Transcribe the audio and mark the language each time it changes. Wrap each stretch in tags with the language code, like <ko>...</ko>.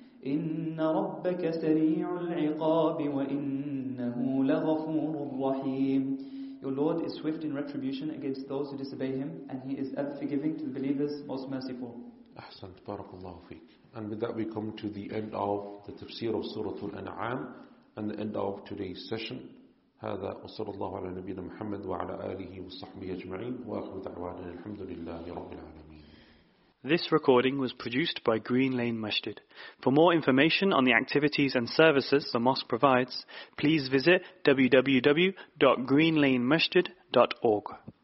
<ar>إِنَّ رَبَّكَ سَرِيعُ الْعِقَابِ وَإِنَّهُ لَغَفُورٌ رَحِيمٌ.</ar> <en>Your Lord is swift in retribution against those who disobey Him, and He is ever-forgiving to the believers, most merciful.</en> <ar>أحسنت بارك الله فيك.</ar> <en>And with that we come to the end of the tafsir of Surah Al-An'am, and the end of today's session.</en> <ar>هذا وصلى الله على نبينا محمد وعلى آله وصحبه أجمعين وآخر دعوانا الحمد لله رب العالمين.</ar> <en>This recording was produced by Green Lane Masjid. For more information on the activities and services the mosque provides, please visit www.greenlanemasjid.org.</en>